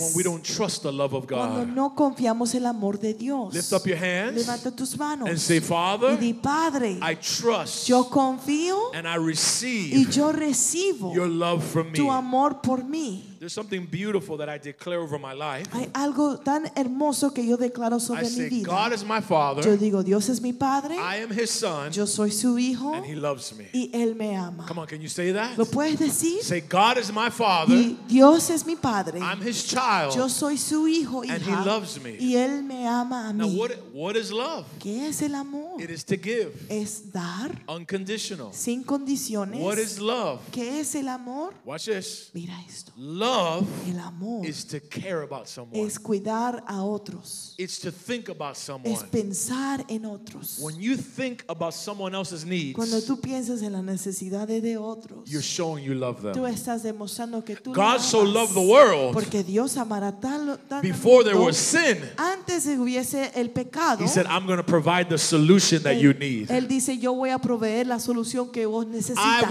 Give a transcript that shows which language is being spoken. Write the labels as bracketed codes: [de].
[en] when we don't trust the love of God, [es] cuando no confiamos el amor de Dios. [en] Lift up your hands, [es] levanta tus manos, [en] and say, Father, [es] y di, Padre, [en] I trust, [es] yo confío, [en] and I receive, [es] y yo recibo, [en] your love from me, [es] tu amor por mí. [en] There's something beautiful that I declare over my life. [es] Hay algo tan hermoso que yo declaro sobre [en] I say, [es] vida. [en] God is my father. [es] Yo digo, Dios es mi padre. [en] I am his son. [es] Yo soy su hijo. [en] And he loves me. [es] Y él me ama. [en] Come on, can you say that? [es] ¿Lo puedes decir? [en] Say, God is my father. [es] Y Dios es mi padre. [en] I'm his child. [es] Yo soy su hijo, hija. [en] And he loves me. [es] Y él me ama a mí. [en] Now, what is love? [es] ¿Qué es el amor? [en] It is to give. [es] Es dar. [en] Unconditional. [es] Sin condiciones. [en] What is love? [es] ¿Qué es el amor? [en] Watch this. [es] Mira esto. [en] Love is to care about someone. [es] Es cuidar a otros. [en] It's to think about someone. [es] Es pensar en otros. [en] When you think about someone else's needs, [es] cuando tú piensas en las necesidades de otros, [en] you're showing you love them. [es] Tú estás demostrando que tú [en] God so loved the world [es] porque Dios amará tan [en] before there was sin. [es] Antes de hubiese el pecado, [en] he said, I'm going to provide the solution that you need. [es] Él dice, yo voy a proveer la solución que vos necesitas.